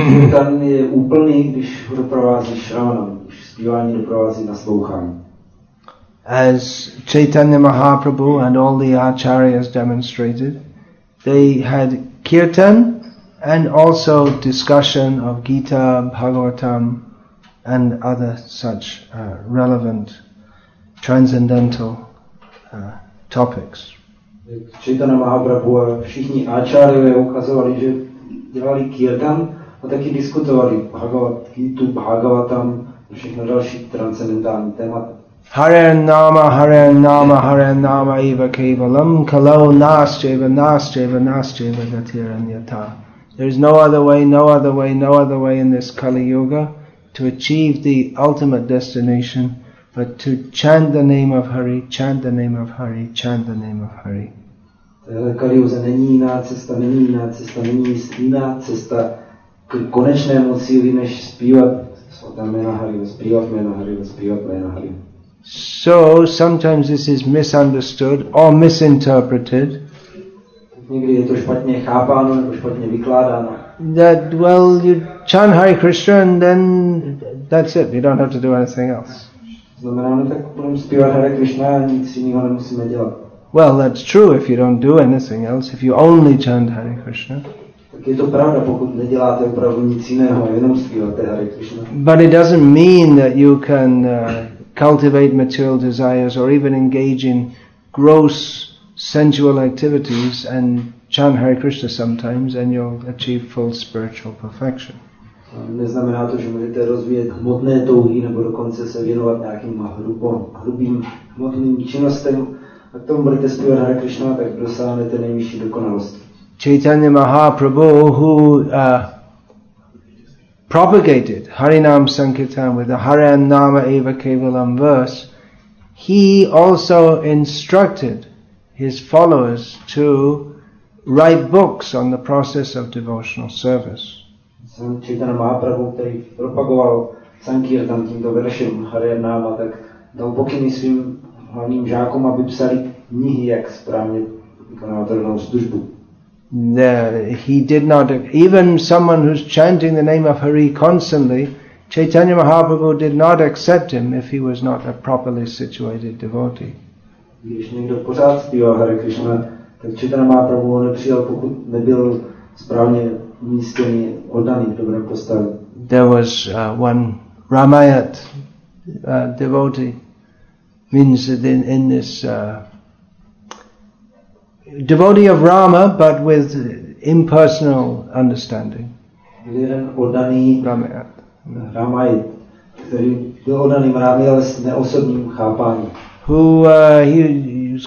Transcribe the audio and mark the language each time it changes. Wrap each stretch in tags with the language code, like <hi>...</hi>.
<cs>Kirtan je úplný, když ho doprovází shravanam, když zpívání doprovází naslouchání.</cs> <en>As Chaitanya Mahaprabhu and all the acharyas demonstrated, they had kirtan and also discussion of Gita, Bhagavatam, and other such relevant transcendental topics.</en> <cs>Chaitanya Mahaprabhu a všichni acharyové ukazovali, že dělali kirtan a taky diskutovali Gitu, Bhagavatam a všechno další transcendentální témata.</cs> <sa>Hare Nama, Hare Nama, Hare Nama, Iva Kevalam, Kalo Nascheva, Nascheva, Nascheva, Gatiranyata.</sa> <en>There is no other way, no other way, no other way in this Kali Yuga to achieve the ultimate destination but to chant the name of Hari, chant the name of Hari, chant the name of Hari.</en> <cs>Kali Yuga není jiná cesta, není jiná cesta, není jiná cesta k konečnému cíli, než zpívat svatá jména Hari, zpívat jména Hari, zpívat jména Hari.</cs> <en>So sometimes this is misunderstood or misinterpreted.</en> <cs>Někdy je to špatně chápáno nebo špatně vykládáno.</cs> <en>That, well, you chant Hare Krishna and then that's it, you don't have to do anything else.</en> <cs>Znamená, no tak budeme zpívat Hare Krishna a nic jiného nemusíme dělat.</cs> <en>Well, that's true if you don't do anything else, if you only chant Hare Krishna.</en> <cs>Tak je to pravda, pokud neděláte opravdu nic jiného, jenom zpíváte Hare Krishna.</cs> <en>But it doesn't mean that you can cultivate material desires or even engage in gross sensual activities and chant Hare Krishna sometimes and you'll achieve full spiritual perfection.</en> <cs>Neznamená to, že můžete rozvíjet hmotné touhy nebo dokonce se věnovat nějakým hrubým hmotným činnostem a k tomu budete zpívat Hare Krishna, tak dosáhnete nejvyšší dokonalosti.</cs> <en>Chaitanya Mahaprabhu, who propagated Harinam Sankirtan with the Hare Nama Eva Kevalam verse, he also instructed his followers to write books on the process of devotional service.</en> <cs>Chaitanya Mahaprabhu, který propagoval Sankirtan tímto veršem Hare Nama, tak dal pokyny svým hlavním žákům, aby psali knihy, jak správně vykonávat hrnou službu.</cs> <en>He did not, even someone who's chanting the name of Hari constantly, Chaitanya Mahaprabhu did not accept him if he was not a properly situated devotee.</en> <cs>Když někdo pořád zpívá Hare Krishna, tak Chaitanya Mahaprabhu ho nepřijal, pokud nebyl správně umístěný, oddaný, v dobrém postavě.</cs> <en>There was one Ramayat devotee, means that in this devotee of Rama, but with impersonal understanding. He was</en>